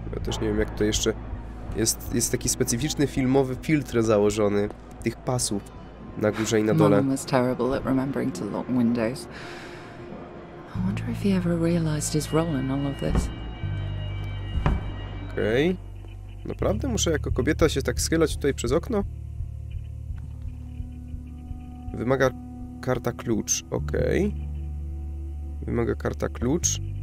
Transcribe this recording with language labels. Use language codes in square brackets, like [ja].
[pl] Ja też nie wiem, jak to jeszcze... Jest taki specyficzny filmowy filtr założony. Tych pasów. Na górze i na dole. [en] Mom was terrible at remembering to lock windows. I wonder if he ever realized his role in all of this. Okej. [pl] Naprawdę muszę jako kobieta się tak schylać tutaj przez okno? Wymaga... Karta klucz, ok. Wymaga karta klucz.